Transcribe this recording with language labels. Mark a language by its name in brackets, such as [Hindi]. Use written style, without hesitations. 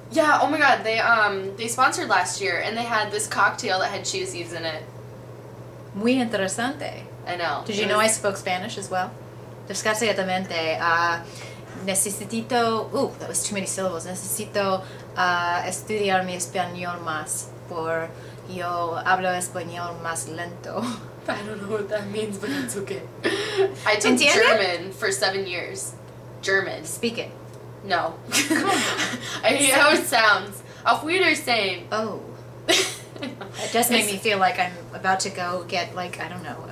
[English] Yeah, oh my god, they sponsored last year, and they had this cocktail that had chia seeds in it. [Spanish] Muy interesante. [English] I know. Did you know I spoke Spanish as well? [Spanish] Desgraciadamente. Necesito... [English] Ooh, that was too many syllables. [Spanish] Necesito estudiar mi español más por yo hablo español más lento. [English] I don't know what that means, but it's okay. I took [Spanish] ¿Entiendes? [English] German for 7 years. German. Speak it. No. I hate how it sounds. [German] Auf Wiedersehen. [English] Oh. It does make me feel like I'm about to go get, like, I don't know,